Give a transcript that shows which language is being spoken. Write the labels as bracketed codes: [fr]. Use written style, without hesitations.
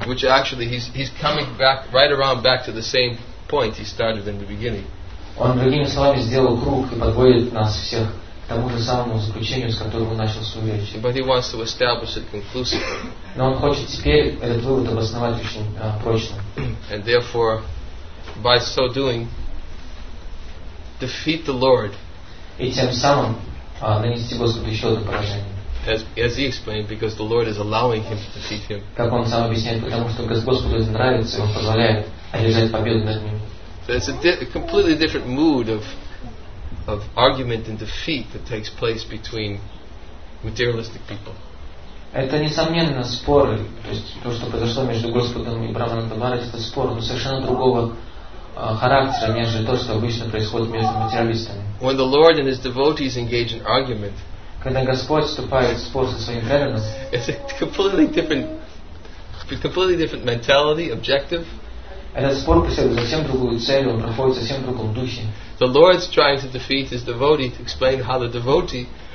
[en] Which actually he's coming back right around back to the same point he started in the beginning. [ru] Он другими словами сделал круг и подводит нас всех к тому же самому заключению, с которого начал свою речь. [en] But he wants to establish it conclusively. [ru] Но он хочет теперь этот вывод обосновать очень прочно. [en] And therefore, by so doing, defeat the Lord. [ru] И тем самым нанести Господу еще одно поражение. [en] As he explained, because the Lord is allowing him to defeat him. [ru] Как он сам объясняет, потому что Господу это нравится, и он позволяет одержать победу над ними. [en] So it's a completely different mood of argument and defeat that takes place between materialistic people. [ru] Это несомненно споры, то есть то, что произошло между Господом и Брахманом Таварати, это споры, но совершенно другого характера, нежели то, что обычно происходит между материалистами. [en] When the Lord and his devotees engage in argument, [ru] когда Господь вступает в спор со своим преданным, [en] it's a completely different mentality, objective. [ru] Этот спор преследует совсем другую цель, он проходит совсем в другом духе. [en] The Lord's trying to defeat his devotee to explain how the devotee.